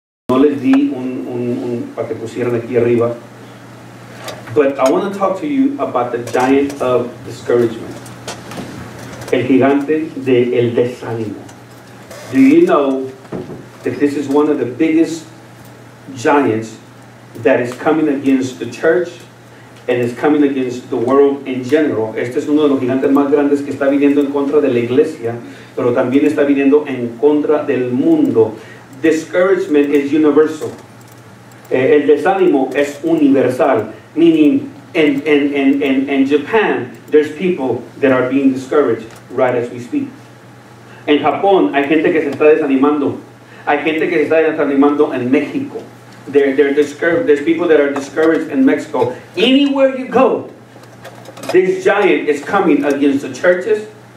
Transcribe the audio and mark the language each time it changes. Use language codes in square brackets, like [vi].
[es] No les di un para que pusieran aquí arriba. [en] But I want to talk to you about the giant of discouragement. [es] El gigante de el desánimo. [en] Do you know that this is one of the biggest giants that is coming against the church and is coming against the world in general? [es] Este es uno de los gigantes más grandes que está viniendo en contra de la iglesia, pero también está viniendo en contra del mundo. [en] Discouragement is universal. [es] El desánimo es universal. [en] Meaning, in Japan, there's people that are being discouraged right as we speak. [es] En Japón, hay gente que se está desanimando. Hay gente que se está desanimando en México. [en] They're discouraged. There's people that are discouraged in Mexico. Anywhere you go, this giant is coming against the churches.